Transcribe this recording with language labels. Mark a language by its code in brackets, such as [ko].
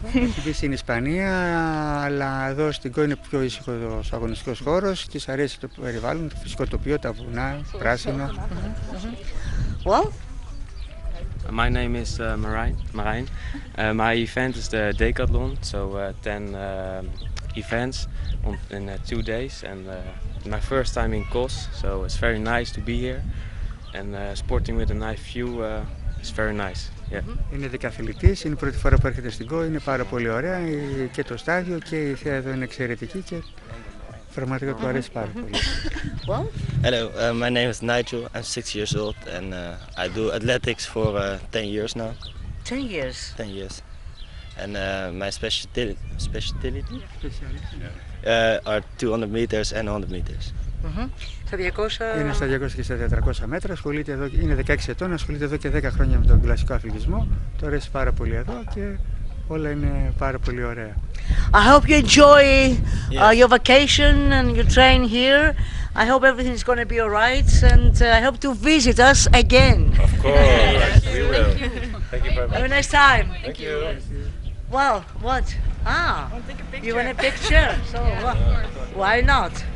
[el] Είσαι στην Ισπανία, αλλά εδώ στην Κόρη είναι πιο ήσυχος ο αγωνιστικός χώρος. Της αρέσει το περιβάλλον, το φυσικό τοπίο, τα βουνά, πράσινο. [en] Well, my name is Marijn. My event is the decathlon, so 10 events in 2 days and my first time in COS, so it's very nice to be here. And sporting with a nice view is very nice. Yeah. [el] Είναι δεκαθλητής, είναι η πρώτη φορά που έρχεται στην ΚΟ, είναι πάρα πολύ ωραία και το στάδιο και η θέα εδώ είναι εξαιρετική και πραγματικά του αρέσει πάρα πολύ. [en] Well? Hello, my name is Nigel, I'm 6 years old and I do athletics for 10 years now. 10 years? 10 years. And my speciality? Are 200 meters and 100 meters. [el] Στα 200... Είναι στα 200 και στα 400 μέτρα, ασχολείται εδώ, είναι 16 ετών, ασχολείται εδώ και 10 χρόνια με τον κλασικό αθλητισμό. Το αρέσει πάρα πολύ εδώ και όλα είναι πάρα πολύ ωραία. [en] I hope you enjoy your vacation and your train here. I hope everything is going to be all right and I hope to visit us again. Of course, yes. We will. Thank you very much. Have a nice time. Thank you. Well, what? Ah, you want a picture? So, yeah, why not?